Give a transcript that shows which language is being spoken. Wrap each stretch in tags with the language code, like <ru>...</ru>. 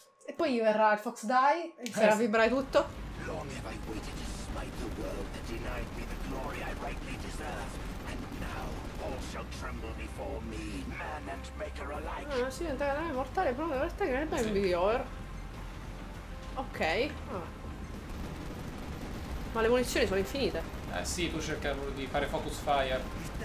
<it>E poi verrà il Fox Die, sarà vibrare tutto.</it> <en>Long have I waited to smite the world that denied me the glory I rightly deserve. And now all shall tremble before me, man and maker alike.</en> <it>Ah, sì, è mortale, però è vero che è ben miglior. Ok. Ma le munizioni sono infinite. Eh sì, tu cercavo di fare focus fire.</it>